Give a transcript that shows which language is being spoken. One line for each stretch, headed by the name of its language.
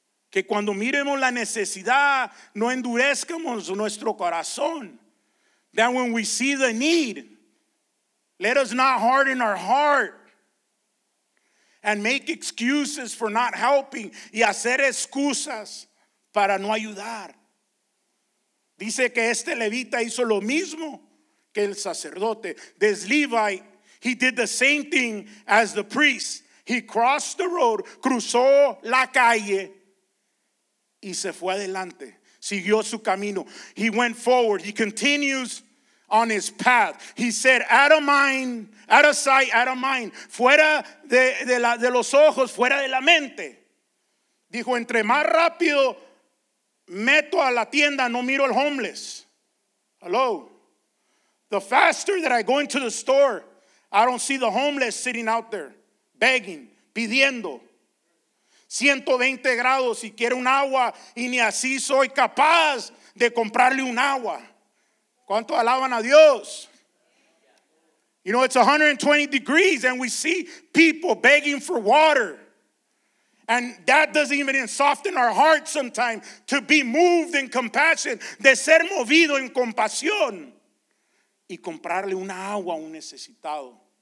Spanish: Que cuando miremos la necesidad, no endurezcamos nuestro corazón.
English: That when we see the need, let us not harden our heart and make excuses for not helping.
Spanish: Y hacer excusas para no ayudar. Dice que este levita hizo lo mismo que el sacerdote.
English: This Levite, he did the same thing as the priest. He crossed the road,
Spanish: cruzó la calle y se fue adelante. Siguió su camino.
English: He went forward. He continues on his path. He said, out of mind, out of sight, out of mind.
Spanish: Fuera de los ojos, fuera de la mente. Dijo, entre más rápido meto a la tienda, no miro al homeless.
English: Hello. The faster that I go into the store, I don't see the homeless sitting out there begging,
Spanish: pidiendo. 120 grados y quiero un agua y ni así soy capaz de comprarle un agua. ¿Cuánto alaban a Dios?
English: You know, it's 120 degrees and we see people begging for water. And that doesn't even soften our hearts sometimes to be moved in compassion,
Spanish: de ser movido en compasión y comprarle una agua a un necesitado.